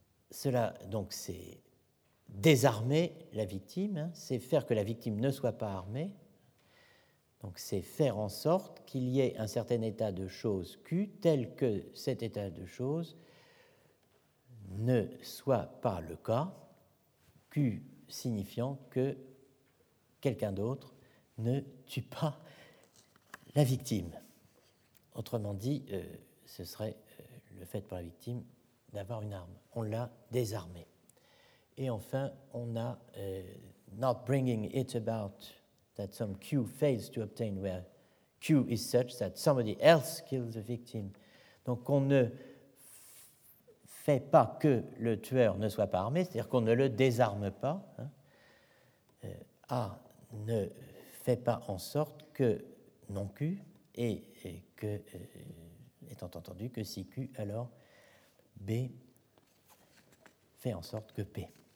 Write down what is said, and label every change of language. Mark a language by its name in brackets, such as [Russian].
[French] Cela, donc, c'est désarmer la victime, hein, c'est faire que la victime ne soit pas armée, donc c'est faire en sorte qu'il y ait un certain état de choses Q, tel que cet état de choses ne soit pas le cas, Q signifiant que quelqu'un d'autre ne tue pas la victime. Autrement dit, ce serait le fait pour la victime d'avoir une arme. On l'a désarmée. Et enfin, on a [English] not bringing it about that some Q fails to obtain where Q is such that somebody else kills the victim. [French] Donc on ne fait pas que le tueur ne soit pas armé, c'est-à-dire qu'on ne le désarme pas. Hein. A ne fait pas en sorte que non Q, et que, étant entendu que si Q, alors B fait en sorte que P.